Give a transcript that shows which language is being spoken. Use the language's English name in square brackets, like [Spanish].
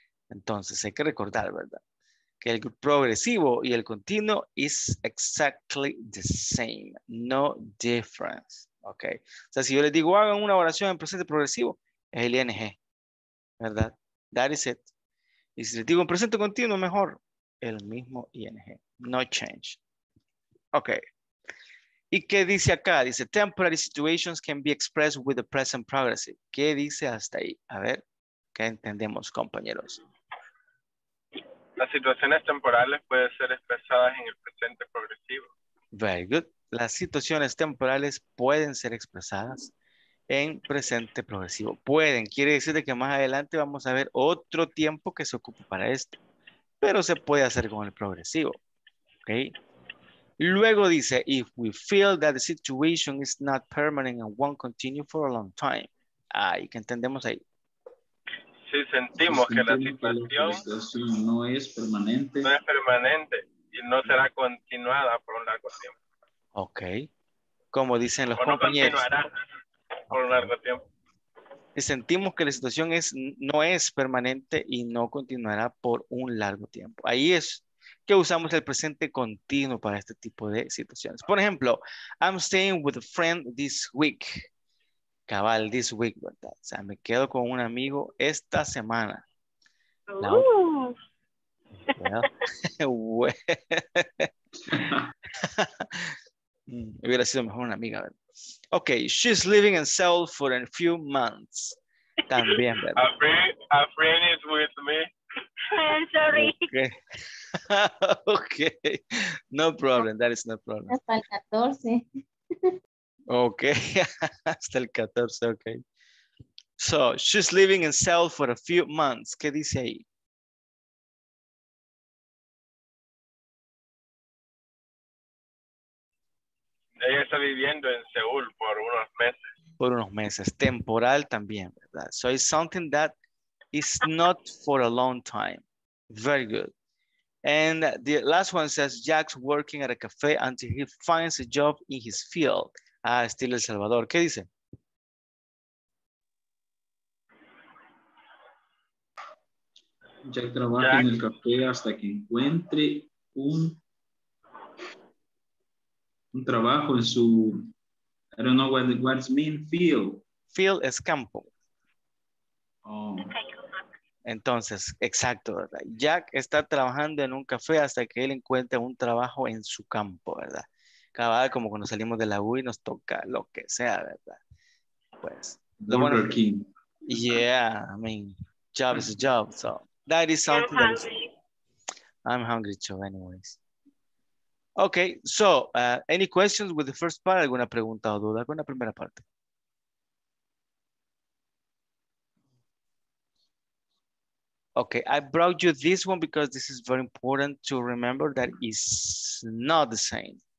[Spanish] Entonces hay que recordar, ¿verdad? Que el progresivo y el continuo [English] is exactly the same. No difference. Ok. [Spanish] O sea, si yo les digo, hagan una oración en presente progresivo, es el ING. ¿Verdad? [English] That is it. [Spanish] Y si les digo en presente continuo, mejor, el mismo ING. [English] No change. [Spanish] Ok. ¿Y qué dice acá? [English] Dice, temporary situations can be expressed with the present progressive. [Spanish] ¿Qué dice hasta ahí? A ver, ¿qué entendemos, compañeros? Las situaciones temporales pueden ser expresadas en el presente progresivo. [English] Very good. [Spanish] Las situaciones temporales pueden ser expresadas en presente progresivo. Pueden. Quiere decir que más adelante vamos a ver otro tiempo que se ocupe para esto. Pero se puede hacer con el progresivo. Okay. [English] Luego dice, if we feel that the situation is not permanent and won't continue for a long time. [Spanish] Ahí, ¿qué entendemos ahí? Si sentimos que la situación no es permanente y no será continuada por un largo tiempo. Ok. Como dicen los compañeros. No continuará por un largo tiempo. Si sentimos que la situación no es permanente y no continuará por un largo tiempo. Ahí es que usamos el presente continuo para este tipo de situaciones. Por ejemplo, [English] I'm staying with a friend this week. [Spanish] Cabal, [English] this week, [Spanish] ¿verdad? O sea, me quedo con un amigo esta semana. No. [English] Well. [Spanish] Hubiera sido mejor una amiga, ¿verdad? [English] Ok, she's living in Seoul for a few months. [Spanish] También, ¿verdad? [English] A friend is with me. I'm sorry. Okay. Okay. No problem, that is no problem. [Spanish] Hasta el 14. [English] Ok, [Spanish] hasta el 14, [English] ok. So, she's living in Seoul for a few months. [Spanish] ¿Qué dice ahí? Ella está viviendo en Seúl por unos meses. por unos meses. Temporal también, ¿verdad? [English] So it's something that is not for a long time. Very good. And the last one says, Jack's working at a cafe until he finds a job in his field. Ah, still El Salvador. [Spanish] ¿Qué dice? Jack trabaja en el café hasta que encuentre un trabajo en su, [English] I don't know what's mean, [Spanish] field. Field es campo. Oh. Entonces, exacto, ¿verdad? Jack está trabajando en un café hasta que él encuentre un trabajo en su campo, ¿verdad? Cada vez como cuando salimos de la U y nos toca lo que sea, ¿verdad? Pues, lo bueno, King. [English] Yeah, I mean, job is a job, so. That is something that is, I'm hungry too, anyways. Okay, so, any questions with the first part? [Spanish] ¿Alguna pregunta o duda con la primera parte? [English] Okay, I brought you this one because this is very important to remember that it's not the same.